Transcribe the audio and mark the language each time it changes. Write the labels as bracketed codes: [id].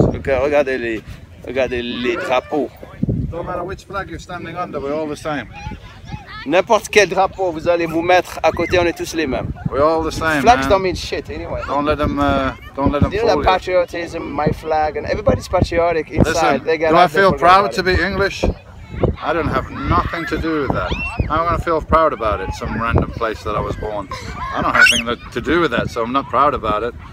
[fr] Okay, regardez les drapeaux. [en] No matter which flag you're standing under, we're all the same. [fr] N'importe quel drapeau vous allez vous mettre à côté, on est tous les mêmes. [en] We're all the same. Flags, man. Don't mean shit anyway. Don't let them fool you. The patriotism, my flag, and everybody's patriotic inside. Listen, do I feel proud to be English? I don't have nothing to do with that. I'm gonna feel proud about it, some random place that I was born. I don't have anything to do with that, so I'm not proud about it.